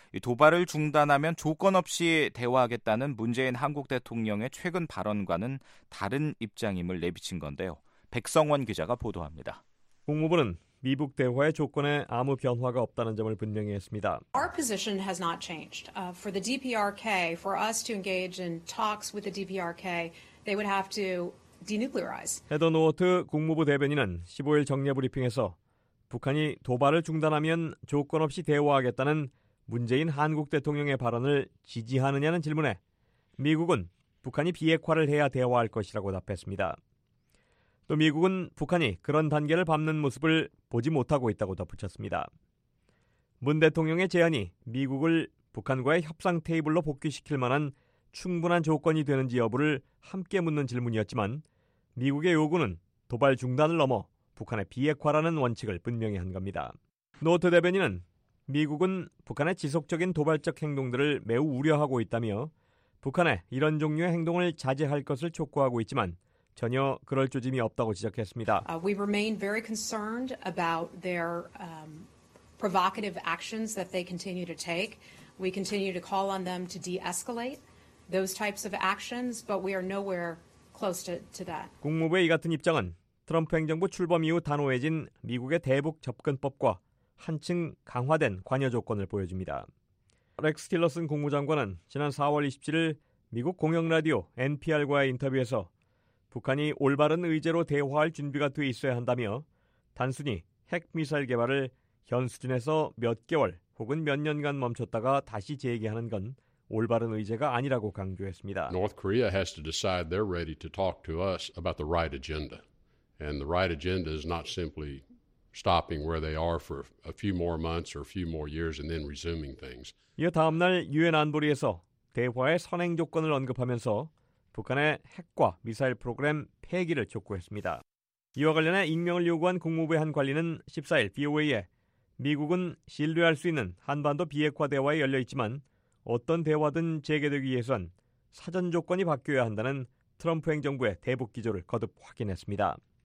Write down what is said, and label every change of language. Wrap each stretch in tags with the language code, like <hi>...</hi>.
<ko>도발을 중단하면 조건 없이 대화하겠다는 문재인 한국 대통령의 최근 발언과는 다른 입장임을 내비친 건데요. 백성원 기자가 보도합니다. 국무부는 미북 대화의 조건에 아무 변화가 없다는 점을 분명히 했습니다.</ko> <en>Our position has not changed. For the DPRK, for us to engage in talks with the DPRK, they would have to denuclearize.</en> <ko>헤더 노어트 국무부 대변인은 15일 정례 브리핑에서 북한이 도발을 중단하면 조건 없이 대화하겠다는 문재인 한국 대통령의 발언을 지지하느냐는 질문에 미국은 북한이 비핵화를 해야 대화할 것이라고 답했습니다. 또 미국은 북한이 그런 단계를 밟는 모습을 보지 못하고 있다고 덧붙였습니다. 문 대통령의 제안이 미국을 북한과의 협상 테이블로 복귀시킬 만한 충분한 조건이 되는지 여부를 함께 묻는 질문이었지만 미국의 요구는 도발 중단을 넘어 북한의 비핵화라는 원칙을 분명히 한 겁니다. 노트 대변인은 미국은 북한의 지속적인 도발적 행동들을 매우 우려하고 있다며 북한의 이런 종류의 행동을 자제할 것을 촉구하고 있지만 전혀 그럴 조짐이 없다고 지적했습니다.</ko> <en>We remain very concerned about their provocative actions that they continue to take. We continue to call on them to de-escalate those types of actions, but we are nowhere close to that.</en> <ko>국무부의 이 같은 입장은 트럼프 행정부 출범 이후 단호해진 미국의 대북 접근법과 한층 강화된 관여 조건을 보여줍니다. 렉스 틸러슨 국무장관은 지난 4월 27일 미국 공영 라디오 NPR과의 인터뷰에서 북한이 올바른 의제로 대화할 준비가 돼 있어야 한다며 단순히 핵미사일 개발을 현 수준에서 몇 개월 혹은 몇 년간 멈췄다가 다시 재개하는 건 올바른 의제가 아니라고 강조했습니다.</ko> <en>North Korea has to decide they're ready to talk to us about the right agenda. And the right agenda is not simply stopping where they are for a few more months or a few more years and then resuming things.</en> <ko>이어 다음 날 유엔 안보리에서 대화의 선행 조건을 언급하면서 북한의 핵과 미사일 프로그램 폐기를 촉구했습니다. 이와 관련해 익명을 요구한 국무부의 한 관리는 14일 VOA에 미국은 신뢰할 수 있는 한반도 비핵화 대화에 열려있지만 어떤 대화든 재개되기 위해선 사전 조건이 바뀌어야 한다는 트럼프 행정부의 대북 기조를 거듭 확인했습니다.</ko>